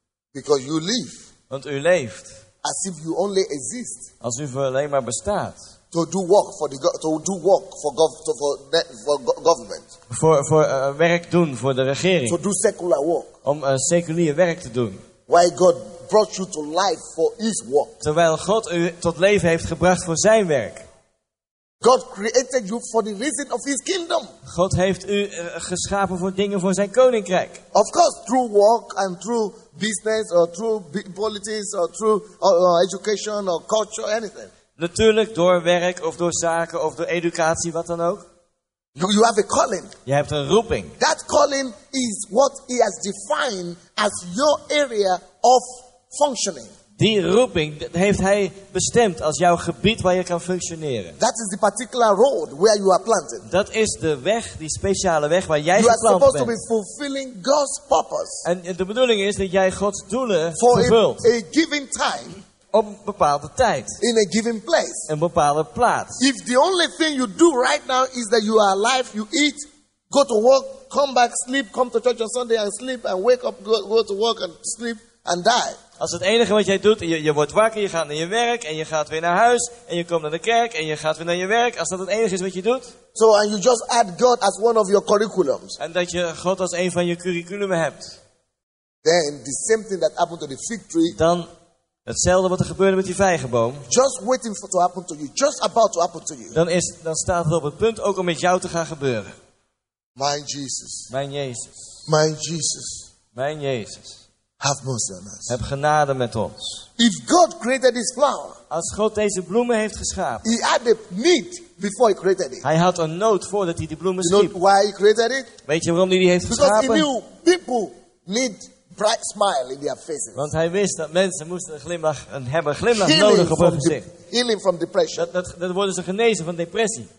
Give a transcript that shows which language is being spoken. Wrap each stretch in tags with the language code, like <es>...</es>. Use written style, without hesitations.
<en>Because you live.</en> <nl>Want u leeft.</nl> <en>As if you only exist.</en> <nl>Als u voor alleen maar bestaat.</nl> <en>To do work for the for government.</en> <nl>Voor werk doen voor de regering.</nl> <en>To do secular work.</en> <nl>Om seculier werk te doen.</nl> <en>Why God brought you to life for his work.</en> <nl>Terwijl God u tot leven heeft gebracht voor zijn werk.</nl> <en>God created you for the reason of his kingdom.</en> <nl>God heeft u geschapen voor dingen voor zijn koninkrijk.</nl> <en>Of course, through work and through business or through politics or through education or culture, anything.</en> <nl>Natuurlijk door werk of door zaken of door educatie, wat dan ook.</nl> <en>You have a calling.</en> <nl>Je hebt een roeping.</nl> <en>That calling is what he has defined as your area of functioning.</en> <nl>Die roeping heeft hij bestemd als jouw gebied waar je kan functioneren.</nl> <en>That is the particular road where you are planted.</en> <nl>Dat is de weg, die speciale weg waar jij geplant bent.</nl> <en>You are supposed to be fulfilling God's purpose.</en> <nl>En de bedoeling is dat jij Gods doelen vervult.</nl> <en>For a given time.</en> <nl>Op een bepaalde tijd.</nl> <en>In a given place.</en> <nl>Een bepaalde plaats.</nl> <en>If the only thing you do right now is that you are alive, you eat, go to work, come back, sleep, come to church on Sunday and sleep and wake up, go to work and sleep and die.</en> <nl>Als het enige wat jij doet, je wordt wakker, je gaat naar je werk en je gaat weer naar huis en je komt naar de kerk en je gaat weer naar je werk. Als dat het enige is wat je doet.</nl> <en>So and you just add God as one of your curriculums.</en> <nl>En dat je God als een van je curriculumen hebt.</nl> <en>Then the same thing that happened to the fig tree.</en> <nl>Dan hetzelfde wat er gebeurde met die vijgenboom.</nl> <en>Just waiting for to happen to you. Just about to happen to you.</en> <nl>Dan staat het op het punt ook om met jou te gaan gebeuren. Mijn Jezus. Mijn Jezus. Mijn Jezus. Mijn Jezus.</nl> <en>Have mercy on us.</en> <nl>Heb genade met ons.</nl> <en>If God created this flower,</en> <nl>als God deze bloemen heeft geschapen.</nl> <en>He had a need before he created it.</en> <nl>Hij had een nood voordat hij die bloemen schiep.</nl> <en>You know why he created it?</en> <nl>Weet je waarom hij die heeft</nl> <en>Because</en> <nl>geschapen?</nl> <en>Because he knew people need bright smile in their faces.</en> <nl>Want hij wist dat mensen moesten een glimlach healing nodig op hun gezicht.</nl> <en>Healing from depression.</en> <nl>Dat worden ze genezen van depressie.</nl>